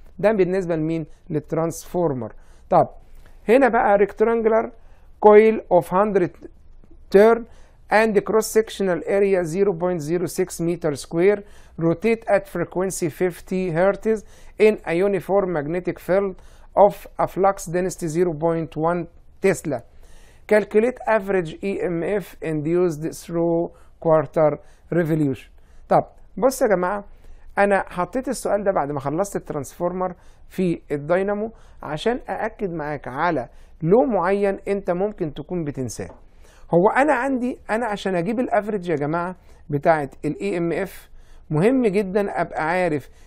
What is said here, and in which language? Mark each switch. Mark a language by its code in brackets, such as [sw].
[ar] ده بالنسبه لمين؟ للترانسفورمر. طب هنا بقى [en] Rectangular coil of 100 turn and cross sectional area 0.06 metre square rotate at frequency 50 hertz in a uniform magnetic field of a flux density 0.1 tesla. Calculate average EMF induced through quarter revolution. [ar] طب بص يا جماعة، أنا حطيت السؤال ده بعد ما خلصت الترانسفورمر في الداينامو عشان أأكد معاك على لو معين أنت ممكن تكون بتنساه. هو أنا عندي، أنا عشان أجيب الأفريج يا جماعة بتاعت الـ EMF، مهم جدا أبقى عارف